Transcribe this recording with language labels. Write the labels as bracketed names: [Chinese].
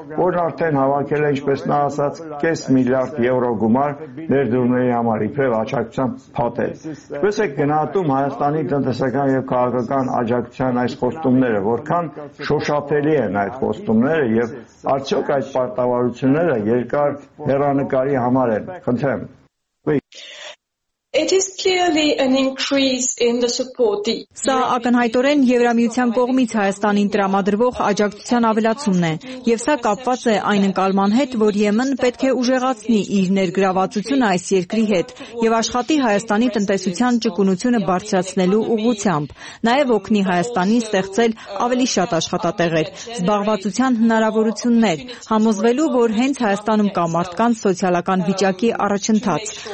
[Armenian] որն արդեն հավաքել է, ինչպես նա ասաց, 500 միլիարդ եվրո գումար ներդրումների համար, իբրև աջակցության փաթեթ։ Ինչպես է գնահատում Հայաստանի տնտեսական եւ քաղաքական աջակցության այս խոստումները, որքան շոշափելի են այդ խոստումները եւ արդյոք այդ պարտավորությունները երկար հեռանկարի համար են։ Խնդրեմ։ [English] It is clearly an increase in the support. [Armenian] Սա ակնհայտորեն Եվրամիության կողմից Հայաստանին տրամադրվող աջակցության ավելացումն է, եւ սա կապված է այն ընկալման հետ, որ ԵՄ-ն պետք է ուժեղացնի իր ներգրավվածությունը այս երկրի հետ եւ աշխատի Հայաստանի տնտեսության ճկունությունը բարձրացնելու ուղղությամբ, նաեւ օգնի Հայաստանին ստեղծել ավելի շատ աշխատատեղեր, զբաղվածության հնարավորություններ, համոզվելու, որ հենց Հայաստանում կա մարդկանց սոցիալական վիճակի առաջընթաց,